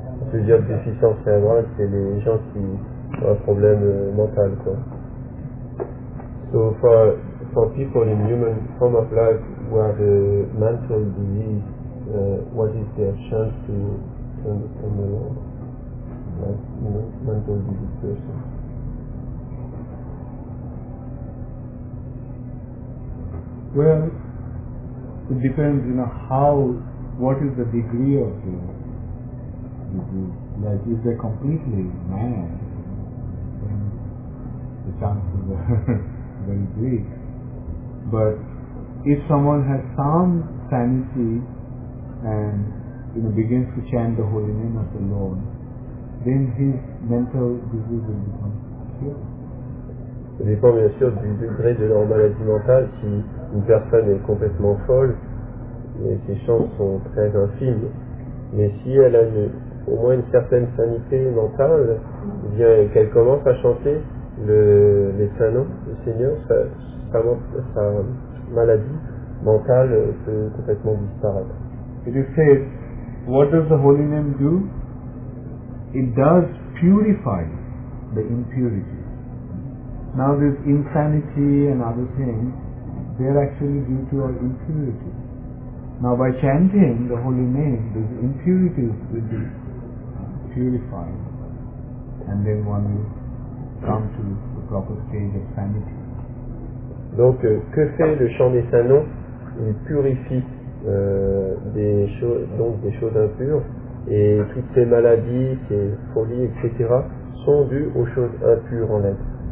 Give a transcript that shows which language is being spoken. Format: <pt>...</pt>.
<fr>Plusieurs déficiences cérébrales, c'est les gens qui ont un problème mental, quoi.</fr> <en>So for people in human form of life who have a mental disease, what is their chance to understand the Lord? Like, you know, mental disease person. Well, it depends, you know, what is the degree of the disease. Like, if they're completely mad, then the chances are very big. But if someone has some sanity and you know, begins to chant the holy name of the Lord, then his mental disease will become cured.</en> <fr>Ça dépend bien sûr du degré de leur maladie mentale. Si une personne est complètement folle, et ses chances sont très infimes. Mais si elle a au moins une certaine sanité mentale, bien qu'elle commence à chanter les saints noms du Seigneur, sa maladie mentale peut complètement disparaître.</fr> <en>It is said, what does the holy name do? It does purify the impurity. Now this insanity and other things, they are actually due to our impurity. Now by chanting the holy name, these impurities will be purified, and then one will come to the proper stage of sanity.</en> <fr>Donc, que fait le chant des saints noms? Il purifie des choses impures, et toutes ces maladies, ces folies, etc., sont dues aux choses impures en l'être.</fr>